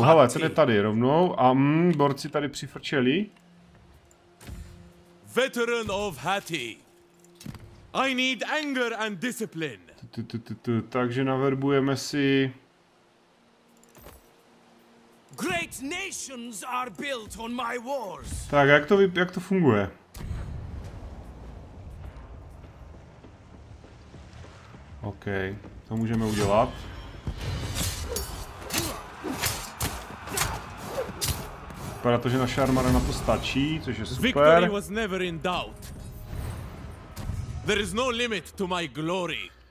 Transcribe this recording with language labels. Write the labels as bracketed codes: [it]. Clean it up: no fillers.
[cs] Hele, ten je tady rovnou a borci tady přifrčeli. [en] Veteran of Hati. I need anger and discipline. [cs] Takže naverbujeme si... [en] Great nations are built on my wars. [cs] Tak, jak to funguje? OK, to můžeme udělat. Vypadá to, že naše armáda na to stačí, což je super. [en] Victory was never in doubt. There is no limit to my glory.